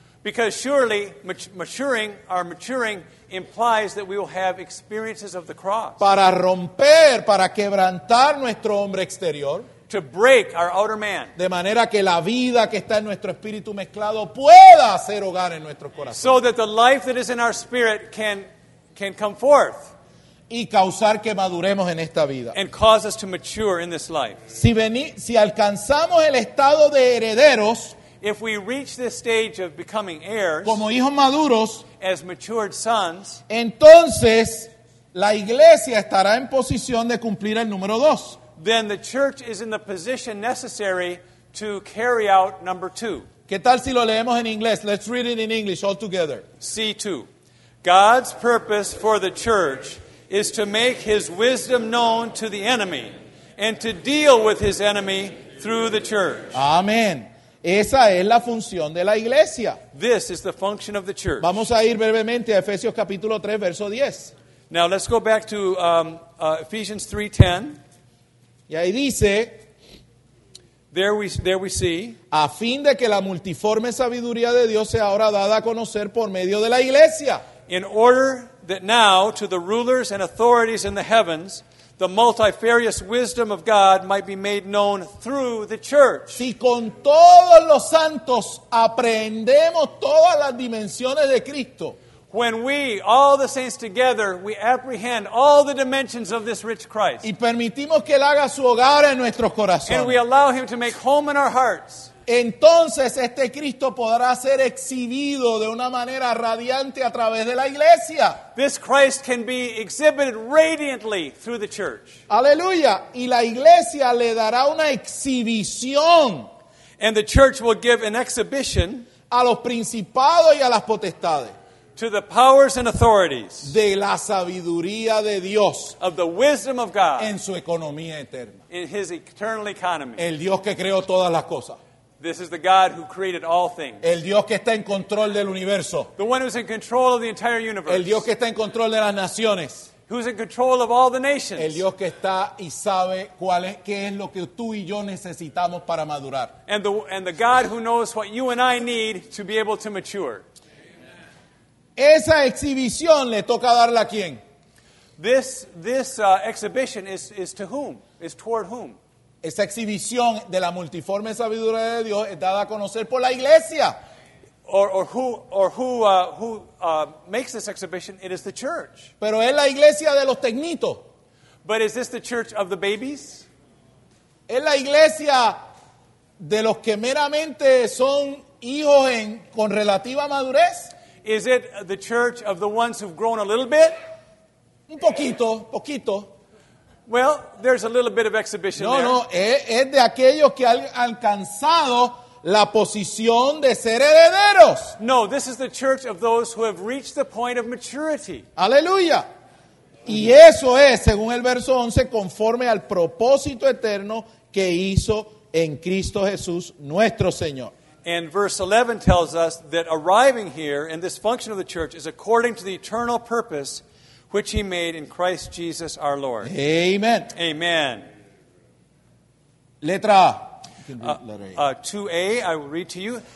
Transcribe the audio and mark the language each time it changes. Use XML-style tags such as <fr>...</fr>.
<en>Because surely maturing implies that we will have experiences of the cross.</en> <es>Para romper, para quebrantar nuestro hombre exterior.</es> <en>To break our outer man.</en> <es>De manera que la vida que está en nuestro espíritu mezclado pueda hacer hogar en nuestro corazón.</es> <en>So that the life that is in our spirit can come forth.</en> <es>Y causar que maduremos en esta vida.</es> <en>And cause us to mature in this life.</en> <es>Si alcanzamos el estado de herederos.</es> <en>If we reach this stage of becoming heirs.</en> <es>Como hijos maduros.</es> <en>As matured sons.</en> <es>Entonces la iglesia estará en posición de cumplir el número dos.</es> <en>Then the church is in the position necessary to carry out number two.</en> <es>¿Qué tal si lo leemos en inglés?</es> <en>Let's read it in English all together. C2. God's purpose for the church is to make his wisdom known to the enemy and to deal with his enemy through the church.</en> <es>Amén. Esa es la función de la iglesia.</es> <en>This is the function of the church.</en> <es>Vamos a ir brevemente a Efesios capítulo 3, verso 10.</es> <en>Now let's go back to Ephesians 3:10.</en> <es>Y ahí dice,</es> <en>there we see,</en> <es>a fin de que la multiforme sabiduría de Dios sea ahora dada a conocer por medio de la iglesia.</es> <en>In order that now to the rulers and authorities in the heavens, the multifarious wisdom of God might be made known through the church.</en> <es>Si con todos los santos aprendemos todas las dimensiones de Cristo.</es> <en>When we, all the saints together, we apprehend all the dimensions of this rich Christ.</en> <es>Y permitimos que Él haga su hogar en nuestros corazones.</es> <en>And we allow Him to make home in our hearts.</en> <es>Entonces este Cristo podrá ser exhibido de una manera radiante a través de la iglesia.</es> <en>This Christ can be exhibited radiantly through the church.</en> <es>Aleluya. Y la iglesia le dará una exhibición.</es> <en>And the church will give an exhibition.</en> <es>a los principados y a las potestades.</es> <en>To the powers and authorities.</en> <es>De la sabiduría de Dios.</es> <en>Of the wisdom of God.</en> <es>En su economía eterna.</es> <en>In his eternal economy.</en> <es>El Dios que creó todas las cosas.</es> <en>This is the God who created all things.</en> <es>El Dios que está en control del universo.</es> <en>The one who's in control of the entire universe.</en> <es>El Dios que está en control de las naciones.</es> <en>Who's in control of all the nations.</en> <es>El Dios que está y sabe cuál es, qué es lo que tú y yo necesitamos para madurar.</es> <en>And the God who knows what you and I need to be able to mature.</en> <es>Esa exhibición le toca darla a quién.</es> <en>This exhibition is to whom? Is toward whom?</en> <es>Esa exhibición de la multiforme sabiduría de Dios es dada a conocer por la iglesia.</es> <en>Or who makes this exhibition? It is the church.</en> <es>Pero es la iglesia de los tecnitos.</es> <en>But is this the church of the babies?</en> <es>Es la iglesia de los que meramente son hijos en con relativa madurez.</es> <en>Is it the church of the ones who've grown a little bit?</en> <es>Un poquito, poquito.</es> <en>Well, there's a little bit of exhibition there.</en> <es>No, es de aquellos que han alcanzado la posición de ser herederos.</es> <en>No, this is the church of those who have reached the point of maturity.</en> <es>Aleluya. Y eso es, según el verso 11, conforme al propósito eterno que hizo en Cristo Jesús nuestro Señor.</es> <en>And verse 11 tells us that arriving here in this function of the church is according to the eternal purpose which he made in Christ Jesus our Lord. Amen. Amen.</en> <es>Letra A.</es> <en>Letter A. 2A, I will read to you.</en>